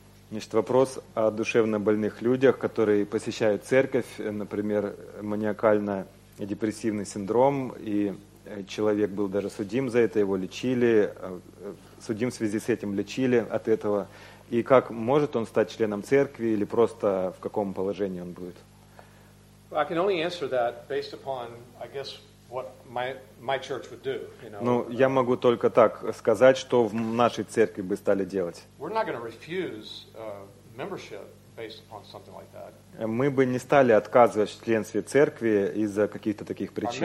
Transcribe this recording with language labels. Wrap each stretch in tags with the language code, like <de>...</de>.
<ru>Значит, вопрос о душевно больных людях, которые посещают церковь, например, маниакально-депрессивный синдром, и человек был даже судим за это, его лечили, судим в связи с этим лечили от этого. И как может он стать членом церкви или просто в каком положении он будет?</ru> <en>I can only answer that based upon, I guess, what my church would do, you know.</en> <ru>Ну, я могу только так сказать, что в нашей церкви бы стали делать.</ru> <en>We're not going to refuse membership based upon something like that.</en> <ru>Мы бы не стали отказывать в членстве церкви из-за каких-то таких причин.</ru>